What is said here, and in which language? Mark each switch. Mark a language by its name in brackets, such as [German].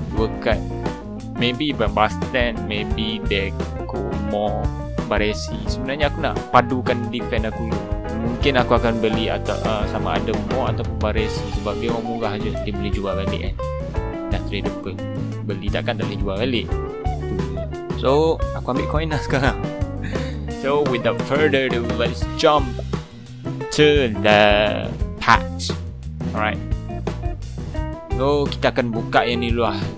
[Malay] Dua kad, maybe Van Basten, maybe Deco, more Baresi. Sebenarnya aku nak padukan defend aku. Mungkin aku akan beli atau sama ada more ataupun Baresi, sebab dia orang murah je, dia boleh jual balik kan. Dah trade apa, beli takkan tak boleh jual balik. So aku ambil coin lah sekarang. [English] So without further ado, let's jump to the patch. Alright. [Malay] So kita akan buka yang ni dulu lah.